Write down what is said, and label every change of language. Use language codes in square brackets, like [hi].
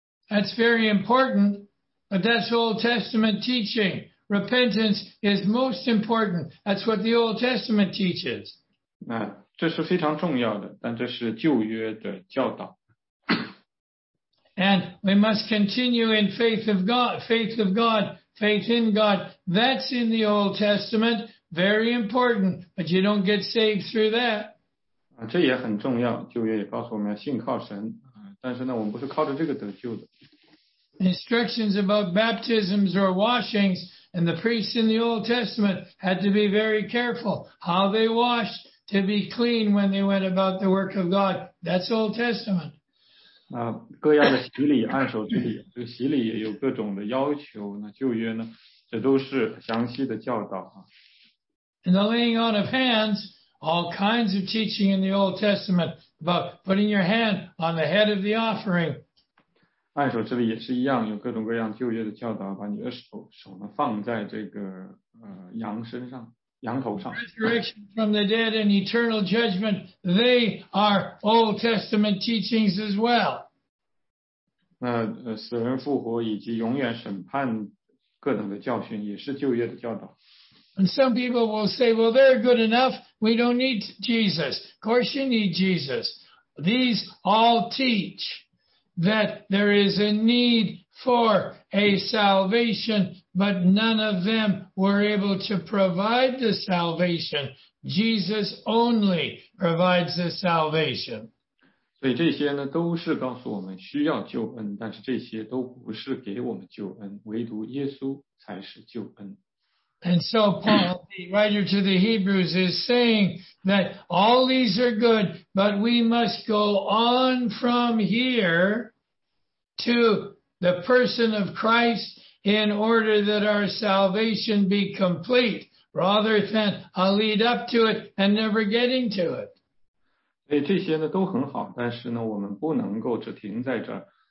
[en] That's very important, but that's Old Testament teaching. Repentance is most important. That's what the Old Testament teaches. [zh] 那这是非常重要的，但这是旧约的教导。 [en] And we must continue in faith of God, faith of God, faith in God. That's in the Old Testament. Very important, but you don't get saved through that. [zh] 这也很重要，旧约也告诉我们要信靠神，但是呢，我们不是靠着这个得救的。 [en] Instructions about baptisms or washings, and the priests in the Old Testament had to be very careful how they washed to be clean when they went about the work of God. That's Old Testament. [zh] 各样的洗礼、按手之礼，这个洗礼也有各种的要求。那旧约呢，这都是详细的教导啊。 [en] And the laying on of hands, all kinds of teaching in the Old Testament about putting your hand on the head of the offering. [zh] 按手之礼也是一样，有各种各样旧约的教导，把你的手呢放在这个羊身上，羊头上。 [en] Resurrection from the dead and eternal judgment, they are Old Testament teachings as well. [zh] 那死人复活以及永远审判各等的教训也是旧约的教导。 [en] And some people will say, well, they're good enough. We don't need Jesus. Of course, you need Jesus. These all teach that there is a need for a salvation, but none of them were able to provide the salvation Jesus only provides this salvation. [zh] 所以这些呢都是告诉我们需要救恩，但是这些都不是给我们救恩，唯独耶稣才是救恩。 [en] And so Paul, the writer to the Hebrews, is saying that all these are good, but we must go on from here to the person of Christ in order that our salvation be complete, rather than a lead up to it and never getting to it. [zh] 所以这些呢都很好，但是呢我们不能够只停在这儿。